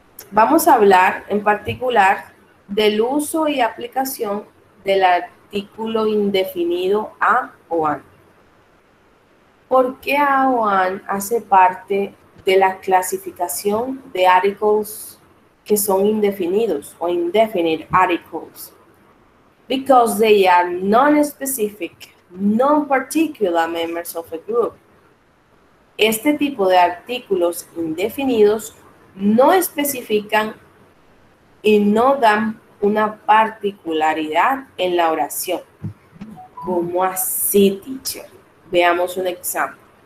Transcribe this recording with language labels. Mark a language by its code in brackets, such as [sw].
[es] Vamos a hablar en particular del uso y aplicación del artículo indefinido a o an. ¿Por qué a o an hace parte de la clasificación de articles que son indefinidos o indefinite articles? [en] Because they are non-specific, non-particular members of a group. [es] Este tipo de artículos indefinidos no especifican y no dan una particularidad en la oración. ¿Cómo así, teacher? Veamos un ejemplo.